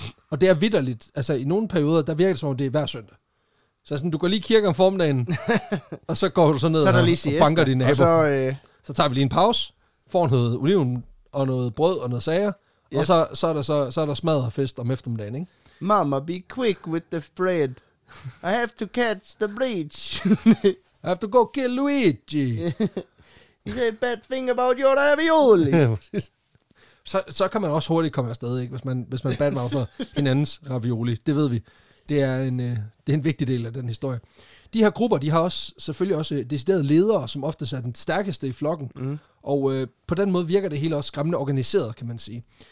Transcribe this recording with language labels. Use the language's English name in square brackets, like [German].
[Danish] Og det er vitterligt, altså i nogle perioder, der virker det som om, det er hver søndag. Så sådan, du går lige kirke om formiddagen, og så går du så ned så og banker din nabo. Så tager vi lige en pause, får noget oliven og noget brød og noget sager, yes, og så er der smadret og fest om eftermiddagen, ikke? [English] Mama, be quick with the bread. I have to catch the bridge. I have to go kill Luigi. He said bad thing about your ravioli. [Danish] Så kan man også hurtigt komme afsted, ikke? Hvis man badmouther hinandens ravioli. Det ved vi. Det er en vigtig del af den historie. De her grupper, de har også selvfølgelig også deciderede ledere, som ofte er den stærkeste i flokken. Mm. Og på den måde virker det hele også skræmmende organiseret, kan man sige.